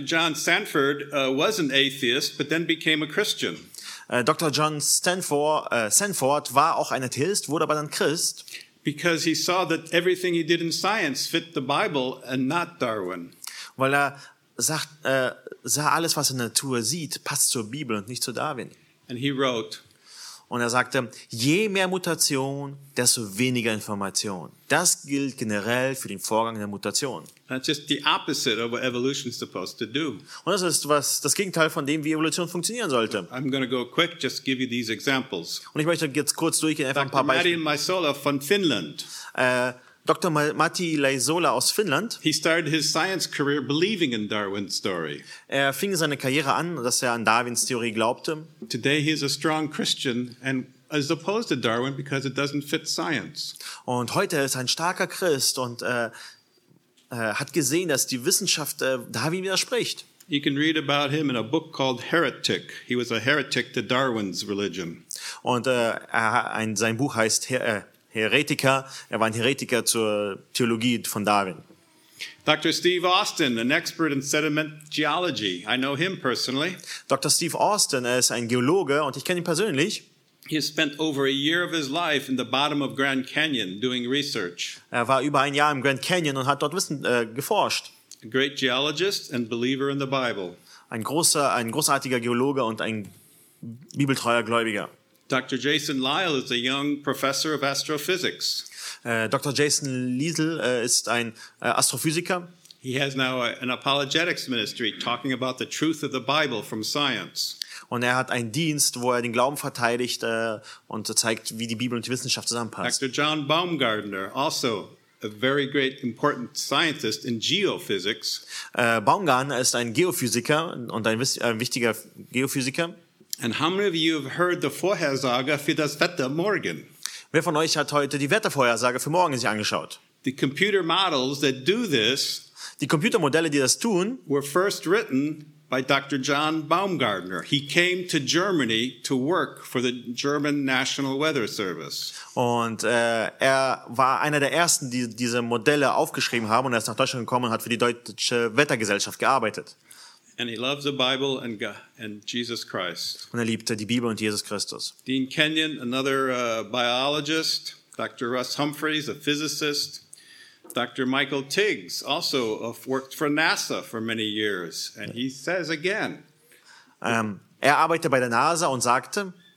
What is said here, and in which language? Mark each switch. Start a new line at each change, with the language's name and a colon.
English: John Sanford was an atheist, but then became a Christian. Dr.
German: John Sanford war auch ein Atheist, wurde aber dann Christ.
English: Because he saw that everything he did in science fit the Bible and not Darwin.
German: Weil er sah alles, was er in der Natur sieht, passt zur Bibel und nicht zu Darwin.
English: And he wrote.
German: Und er sagte, je mehr Mutation, desto weniger Information. Das gilt generell für den Vorgang der Mutation.
English: That's just the opposite of what evolution is supposed to do.
German: Und das ist das Gegenteil von dem, wie Evolution funktionieren sollte.
English: I'm going to go quick, just give you these examples.
German: Und ich möchte jetzt kurz durchgehen, einfach ein paar Beispiele. Dr. Matti Laisola von Finnland. Dr. Matti Laisola aus Finnland.
English: He started his science career believing in Darwin's story.
German: Er fing seine Karriere an, dass er an Darwins Theorie glaubte.
English: Today he is a strong Christian and as opposed to Darwin because it doesn't fit science.
German: Und heute ist ein starker Christ und hat gesehen, dass die Wissenschaft Darwin widerspricht.
English: You can read about him in a book called Heretic. He was a heretic to Darwin's religion.
German: Und sein Buch heißt Heretiker. Er war ein Heretiker zur Theologie von Darwin.
English: Dr. Steve Austin, an expert in sediment geology. I know him personally. Dr.
German: Steve Austin, ist ein Geologe und ich kenne ihn persönlich.
English: He has spent over a year of his life in the bottom of Grand Canyon doing research.
German: Er war über ein Jahr im Grand Canyon und hat dort geforscht.
English: A great geologist and believer in the Bible.
German: Ein großartiger Geologe und ein bibeltreuer Gläubiger.
English: Dr. Jason Lyle is a young professor of astrophysics.
German: Dr. Jason Liesel ist ein Astrophysiker.
English: He has now an apologetics ministry talking about the truth of the Bible from science.
German: Und er hat einen Dienst, wo er den Glauben verteidigt und zeigt, wie die Bibel und die Wissenschaft zusammenpasst.
English: Dr. John Baumgartner, also a very great important scientist in geophysics.
German: Baumgartner ist ein Geophysiker und ein wichtiger Geophysiker.
English: And how many of you have heard the
German: Vorhersage für das Wetter morgen? Wer von euch hat heute die Wettervorhersage für morgen sich angeschaut?
English: The computer models that do this,
German: die Computermodelle, die das tun,
English: were first written by Dr. John Baumgartner. He came to Germany to work for the German National Weather Service.
German: Und er war einer der ersten, die diese Modelle aufgeschrieben haben, und er ist nach Deutschland gekommen und hat für die deutsche Wettergesellschaft gearbeitet.
English: And he loves the Bible and Jesus Christ.
German: Und er liebte die Bibel und Jesus Christus.
English: Dean Kenyon, another biologist, Dr. Russ Humphreys, a physicist, Dr. Michael Tiggs, also worked for NASA for many years, and he says again.
German: Er arbeitete bei der NASA und sagte.